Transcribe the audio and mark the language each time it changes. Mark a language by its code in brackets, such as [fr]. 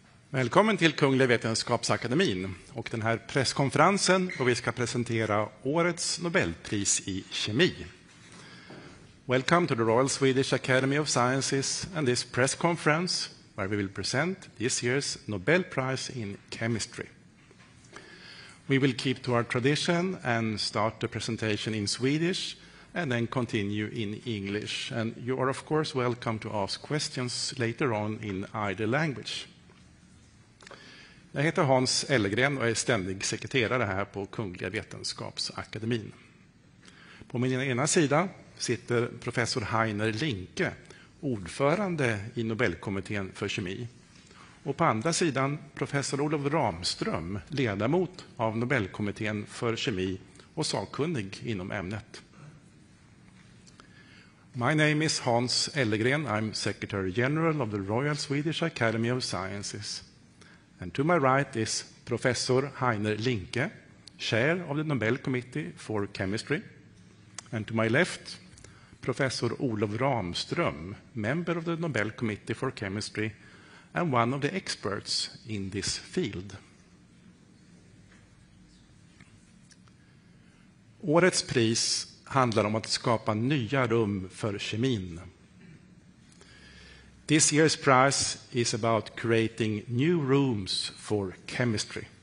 [sv] Välkommen till Kungliga Vetenskapsakademin och den här presskonferensen där vi ska presentera årets Nobelpris I kemi. [en] Welcome to the Royal Swedish Academy of Sciences and this press conference where we will present this year's Nobel Prize in Chemistry. We will keep to our tradition and start the presentation in Swedish and then continue in English. And you are of course welcome to ask questions later on in either language. [sv] Jag heter Hans Ellegren och är ständig sekreterare här på Kungliga Vetenskapsakademin. På min ena sida sitter professor Heiner Linke, ordförande I Nobelkommittén för kemi. Och på andra sidan professor Olof Ramström, ledamot av Nobelkommittén för kemi och sakkunnig inom ämnet. [en] My name is Hans Ellegren. I'm Secretary General of the Royal Swedish Academy of Sciences. And to my right is Professor Heiner Linke, chair of the Nobel Committee for Chemistry. And to my left, Professor Olof Ramström, member of the Nobel Committee for Chemistry and one of the experts in this field. [sv] Årets pris handlar om att skapa nya rum för kemin. [en] This year's prize is about creating new rooms for chemistry.